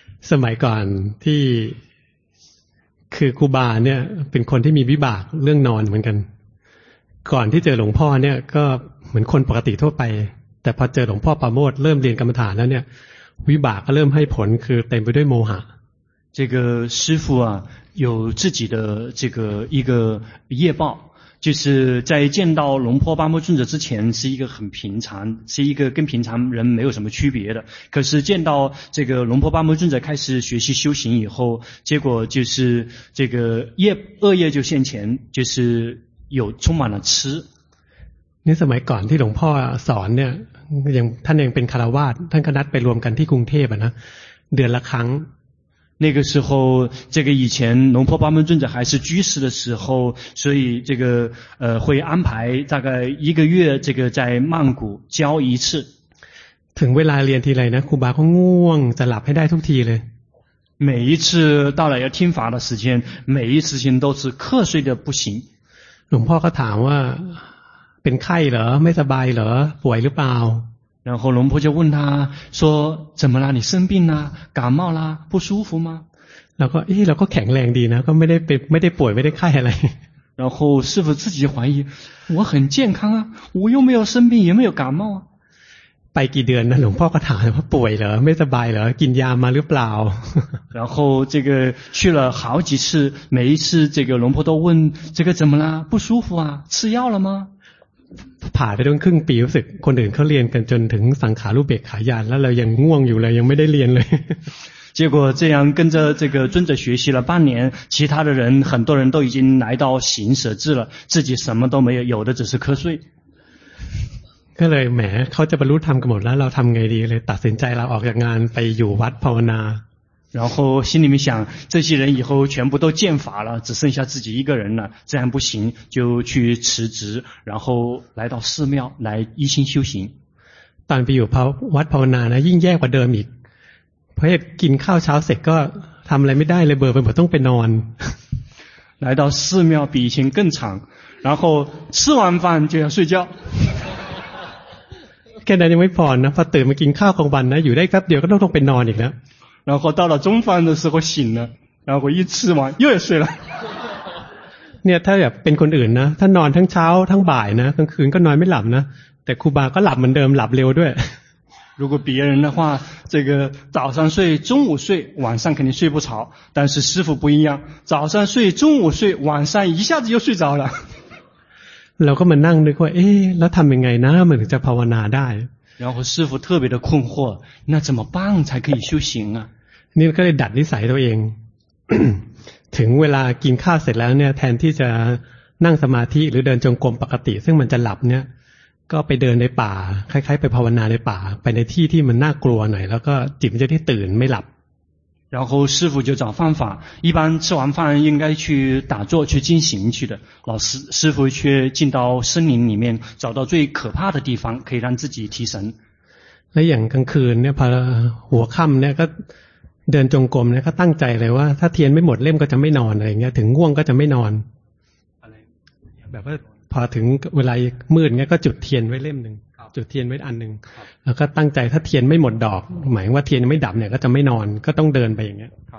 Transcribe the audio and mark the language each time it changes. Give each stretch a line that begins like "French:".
Thai: สมัยก่อนที่คือครูบาเนี่ยเป็นคนที่มีวิบากเรื่องนอนเหมือนกัน ก่อนที่เจอหลวงพ่อเนี่ยก็เหมือนคนปกติทั่วไปแต่พอเจอหลวงพ่อปราโมทเริ่มเรียนกรรมฐานแล้วเนี่ยวิบากก็เริ่มให้ผลคือเต็มไปด้วยโมหะ
Chinese: 这个师父啊有自己的这个一个业报就是在见到龙婆巴木尊者之前是一个很平常是一个跟平常人没有什么区别的可是见到这个龙婆巴木尊者开始学习修行以后结果就是这个业恶业就现前就是有充满了痴那
Thai: สมัยก่อนที่หลวงพ่อสอนเนี่ยยังท่านยังเป็นคารวาสท่านก็นัดไปรวมกันที่กรุงเทพฯนะเดือนละครั้ง
Chinese: 那个时候这个以前龙婆巴门尊者还是居士的时候所以这个会安排大概一个月这个在曼谷教一次
Thai: ถึงเวลาเรียนทีไรนะครูบาก็ง่วงจะหลับให้ได้ทุกทีเลย
Chinese: 每一次到了要听法的时间每一次心都是瞌睡的不行
Thai: หลวงพ่อก็ถามว่าเป็นไข้เหรอไม่สบายเหรอป่วยหรือเปล่า
Chinese: 然后龙婆就问他说怎么了你生病啦感冒啦不舒服吗然后诶然后
Thai: แข็งแรงดีนะก็ไม่ได้ไม่ได้ป่วยไม่ได้ไข้อะไร
Chinese: 然后师父自己怀疑我很健康啊我又没有生病也没有感冒啊
Thai: ไปกี่เดือนนะหลวงพ่อก็ถามว่าป่วยเหรอไม่สบายเหรอกินยามาหรือเปล่า
Chinese: 然后这个去了好几次每一次这个龙婆都问这个怎么啦不舒服啊吃药了吗
Thai: ผ่านไปตั้งครึ่งปีรู้สึกคนอื่นเขาเรียนกันจนถึงสังขารูปเบกขายานแล้วเรายังง่วงอยู่เลยยังไม่ได้เรียนเลย
Chinese: 结果这样跟着这个尊者学习了半年其他的人很多人都已经来到行舍智了自己什么都没有有的只是瞌睡
Thai: ก็เลยแหมเขาจะบรรลุธรรมกันหมดแล้วเราทำไงดีเลยตัดสินใจเราออกจากงานไปอยู่วัดภาวนา
Chinese: 然后心里面想这些人以后全部都见法了只剩下自己一个人了这样不行就去辞职然后来到寺庙来一心修行
Thai: ตอนไปอยู่ภาวัดภาวนานะยิ่งแย่กว่าเดิมอีกเพราะกินข้าวเช้าเสร็จก็ทำอะไรไม่ได้เลยเบื่อไปหมดต้องไปนอน
Chinese: 来到寺庙比以前更长然后吃完饭就要睡觉
Thai: แค่นั้นยังไม่พอนะพอตื่นมากินข้าวของวันนะอยู่ได้แป๊บเดียวก็ต้องไปนอนอีกแล้ว แล้วพอ
Chinese: 到了中饭的时候醒了然后一吃完又要睡了
Thai: เนี่ยถ้าแบบเป็นคนอื่นนะถ้านอนทั้งเช้าทั้งบ่ายนะกลางคืนก็นอนไม่หลับนะแต่ครูบาก็หลับเหมือนเดิมหลับเร็วด้วย
Chinese: 如果别人的话这个早上睡中午睡晚上肯定睡不着但是师父不一样早上睡中午睡晚上一下子又睡着了
Thai: เราก็มานั่งนึกว่าเอ๊ะแล้วทำยังไงนะมันถึงจะภาวนาได้
Chinese: 然后师父特别的困惑那怎么办才可以修行啊
Thai: นี่ก็เลยดัดนิสัยตัวเอง ถึงเวลากินข้าวเสร็จแล้วเนี่ยแทนที่จะนั่งสมาธิหรือเดินจงกรมปกติซึ่งมันจะหลับเนี่ยก็ไปเดินในป่าคล้ายๆไปภาวนาในป่าไปในที่ที่มันน่ากลัวหน่อยแล้วก็จิตมันจะได้ตื่นไม่หลับ
Chinese: 然后师父就找方法一般吃完饭应该去打坐去进行去的老师师父却进到森林里面找到最可怕的地方可以让自己提神
Thai: และอย่างกลางคืนเนี่ยพอหัวค่ำเนี่ยก็เดินจงกรมเนี่ยก็ตั้งใจเลยว่าถ้าเทียนไม่หมดเล่มก็จะไม่นอนอะไรเงี้ยถึงง่วงก็จะไม่นอนอะไรแบบว่าพอถึงเวลามืดเงี้ยก็จุดเทียนไว้เล่มนึงจุดเทียนไว้อันนึงแล้วก็ตั้งใจถ้าเทียนไม่หมดดอกหมายว่าเทียนไม่ดับเนี่ยก็จะไม่นอนก็ต้องเดินไปอย่างเงี้ย